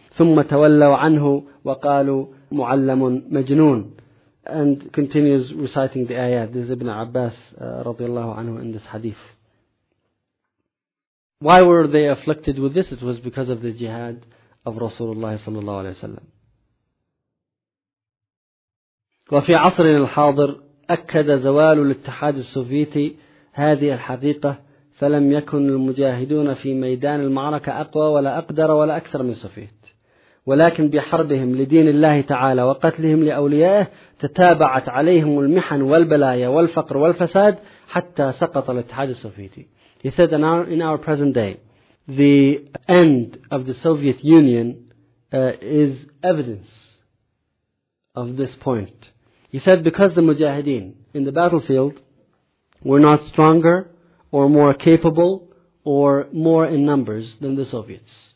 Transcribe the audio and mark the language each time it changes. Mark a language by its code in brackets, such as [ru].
[ar] ثُمَّ تَوَلَّوْا عَنْهُ وَقَالُوا مُعَلَّمٌ مَجْنُونٌ. [en] And continues reciting the ayat. This is Ibn Abbas رضي الله عنه in this hadith. Why were they afflicted with this? It was because of the jihad of Rasulullah صلى الله عليه وسلم. [ar] وفي عصرنا الحاضر أكد زوال الاتحاد السوفيتي هذه الحقيقة فلم يكن المجاهدون في ميدان المعركة أقوى ولا أقدر ولا أكثر من صفيت، ولكن بحربهم لدين الله تعالى وقتلهم لأوليائه تتابعت عليهم المحن والبلايا والفقر والفساد حتى سقط الاتحاد السوفيتي. [en] He said, in our present day, the end of the Soviet Union is evidence of this point. He said, because the mujahideen in the battlefield were not stronger or more capable or more in numbers than the Soviets.